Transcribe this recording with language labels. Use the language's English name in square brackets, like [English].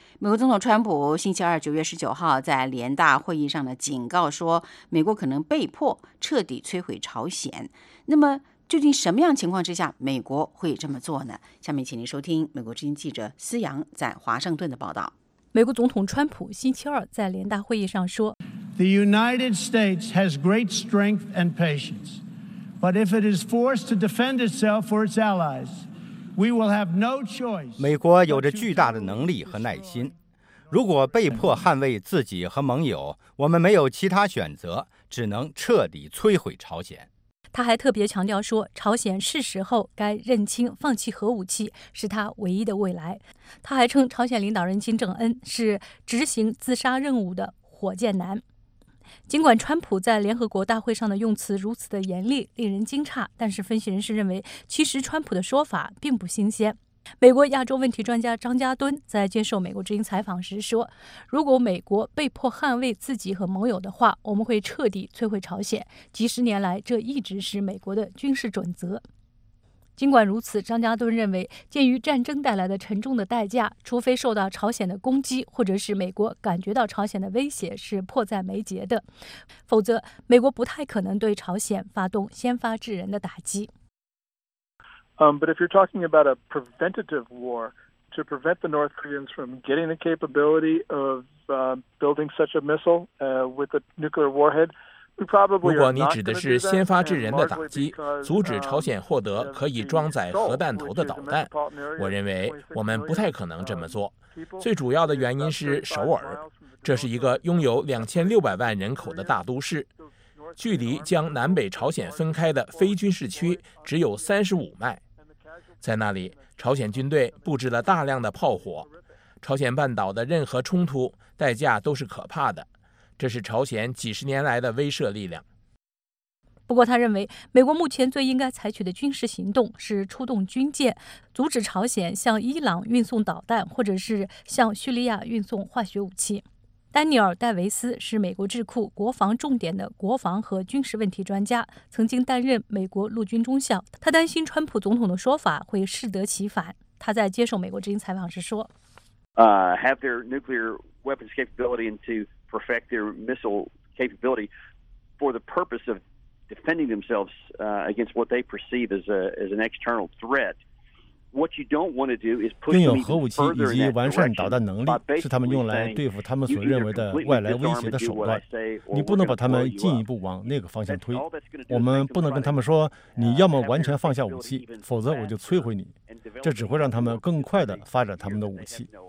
[Chinese] 美国总统川普星期二9月19号在联大会议上的警告说，美国可能被迫彻底摧毁朝鲜。那么究竟什么样情况之下美国会这么做呢？下面请您收听美国之音记者思阳在华盛顿的报道。美国总统川普星期二在联大会议上说， [English] The United States has great strength and patience, but if it is forced to defend itself or its allies, we will have no choice. [Chinese] 美国有着巨大的能力和耐心，如果被迫捍卫自己和盟友，我们没有其他选择，只能彻底摧毁朝鲜。他还特别强调说，朝鲜是时候该认清放弃核武器是他唯一的未来。他还称朝鲜领导人金正恩是执行自杀任务的火箭男。尽管川普在联合国大会上的用词如此的严厉，令人惊诧，但是分析人士认为，其实川普的说法并不新鲜。美国亚洲问题专家张家敦在接受美国之音采访时说，如果美国被迫捍卫自己和盟友的话，我们会彻底摧毁朝鲜，几十年来这一直是美国的军事准则。尽管如此，张家敦认为，鉴于战争带来的沉重的代价，除非受到朝鲜的攻击，或者是美国感觉到朝鲜的威胁是迫在眉睫的，否则美国不太可能对朝鲜发动先发制人的打击。 [English] But if you're talking about a preventative war to prevent the North Koreans from getting the capability of building such a missile with a nuclear warhead, we probably are not. [Chinese] 如果你指的是先发制人的打击，阻止朝鲜获得可以装载核弹头的导弹，我认为我们不太可能这么做。最主要的原因是首尔，这是一个拥有2600万人口的大都市。距离将南北朝鲜分开的非军事区只有35迈，在那里，朝鲜军队布置了大量的炮火。朝鲜半岛的任何冲突代价都是可怕的，这是朝鲜几十年来的威慑力量。不过他认为，美国目前最应该采取的军事行动是出动军舰，阻止朝鲜向伊朗运送导弹，或者是向叙利亚运送化学武器。丹尼尔·戴维斯是美国智库国防重点的国防和军事问题专家，曾经担任美国陆军中校。他担心川普总统的说法会适得其反。他在接受美国之音采访时说 [English] have their nuclear weapons capability and to perfect their missile capability for the purpose of defending themselves against what they perceive as an external threat. [Chinese] 拥有核武器以及完善导弹能力是他们用来对付他们所认为的外来威胁的手段，你不能把他们进一步往那个方向推。我们不能跟他们说，你要么完全放下武器，否则我就摧毁你，这只会让他们更快地发展他们的武器。